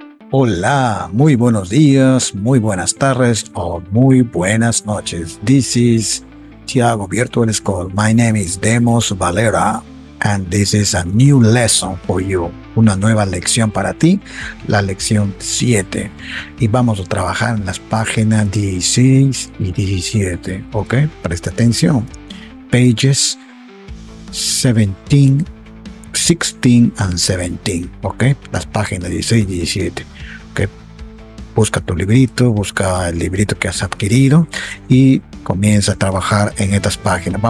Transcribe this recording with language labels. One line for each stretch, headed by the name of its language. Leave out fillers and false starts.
Spanish: Hola, muy buenos días, muy buenas tardes, o muy buenas noches.
English: This is Tiago Virtual School. My name is Demos Valera, and this is a new lesson for you.
Spanish: Una nueva lección para ti, la lección 7. Y vamos a trabajar en las páginas 16 y 17, ¿ok? Presta atención.
English: Pages 17, 16 and 17, ¿ok?
Spanish: Las páginas 16 y 17. Busca tu librito, busca el librito que has adquirido y comienza a trabajar en estas páginas.